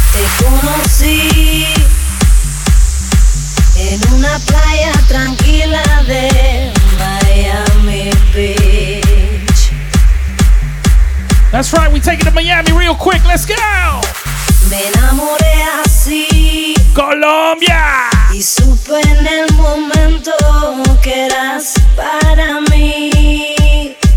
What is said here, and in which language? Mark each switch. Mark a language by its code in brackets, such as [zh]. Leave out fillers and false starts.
[es] Te conocí en una playa tranquila de Miami Beach. [en] That's right, we take it to Miami real quick, let's go. [es] Me enamoré así, Colombia, y supe en el momento que eras para mí.